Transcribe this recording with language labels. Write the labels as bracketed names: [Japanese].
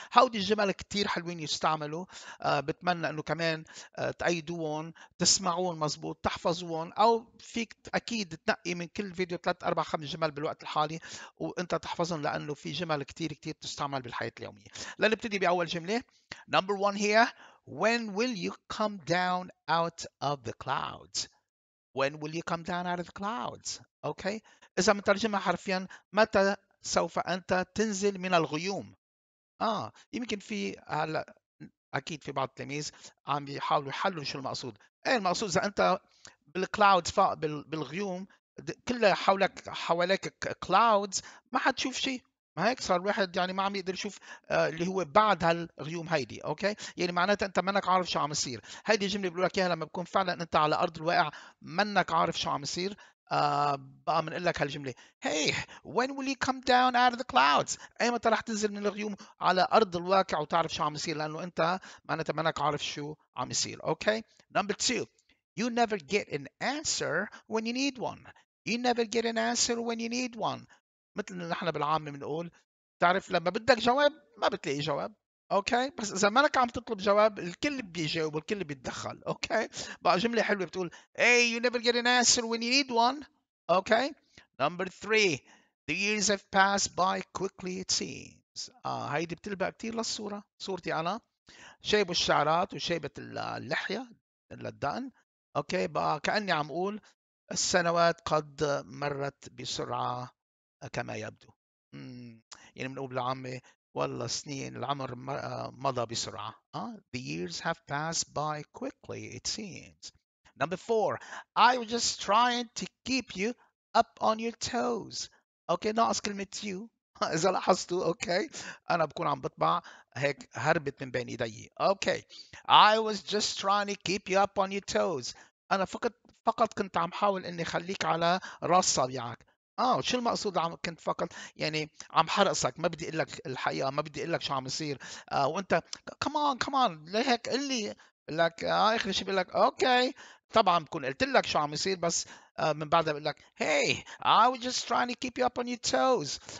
[Arabic] هودي الجمل كثير حلوين يستعملوا، بتمنى انه كمان تأيدوهم، تسمعوهم مزبوط، تحفظوهم، او فيك اكيد تنقي من كل فيديو 3 4 5 جمل بالوقت الحالي وانت تحفظهم، لانه في جمل كثير كثير تستعمل بالحياه اليوميه. لنبتدي باول جمله. نمبر 1 هي: [English] When will you come down out of the clouds? When will you come down out of the clouds? Okay. [Arabic] إذا مترجمها حرفيا، متى سوف أنت تنزل من الغيوم؟ يمكن في هلا أكيد في بعض التلاميذ عم بيحاولوا يحلوا شو المقصود. إيه المقصود؟ إذا أنت بالكلاودز بالغيوم، كلها حواليك كلاودز، ما حتشوف شيء. ما هيك صار الواحد يعني ما عم يقدر يشوف اللي هو بعد هالغيوم هيدي، اوكي؟ يعني معناتها انت منك عارف شو عم يصير. هيدي الجمله بيقول لك اياها لما بكون فعلا انت على ارض الواقع منك عارف شو عم يصير. بقى بنقول لك هالجمله: [English] Hey, when will you come down out of the clouds؟ [Arabic] ايمتى رح تنزل من الغيوم على ارض الواقع وتعرف شو عم يصير؟ لانه انت معناتها منك عارف شو عم يصير، اوكي؟ نمبر 2: [English] You never get an answer when you need one. You never get an answer when you need one. [Arabic] مثل نحن بالعامة بنقول، تعرف لما بدك جواب ما بتلاقي جواب، أوكي؟ بس إذا مالك عم تطلب جواب، الكل بيجاوب والكل بيتدخل، أوكي؟ بقى جملة حلوة بتقول: [English] Hey, you never get an answer when you need one. Okay? Number 3: The years have passed by quickly, it seems. [Arabic] هيدي بتلبق كتير للصورة، صورتي أنا شايب الشعرات وشايبة اللحية للدقن، أوكي؟ بقى كأني عم أقول السنوات قد مرت بسرعة كما يبدو. يعني بنقول بالعامة والله سنين العمر مضى بسرعة. [English] The years have passed by quickly, it seems. Number 4: I was just trying to keep you up on your toes. [Arabic] Okay, ناقص كلمة you. إذا لاحظتوا، أوكي، أنا بكون عم بطبع هيك هربت من بين إيدي. [English] Okay, I was just trying to keep you up on your toes. [Arabic] أنا فقط كنت عم حاول إني خليك على راس صابعك. شو المقصود عم كنت فقط يعني عم حرقصك، ما بدي اقول لك الحقيقه، ما بدي اقول لك شو عم يصير، وانت كمان كمان ليه هيك قل لي لك. اخر شيء بقول لك اوكي، طبعا بكون قلت لك شو عم يصير، بس من بعدها بقول لك [English] hey, I was just trying to keep you up on your toes.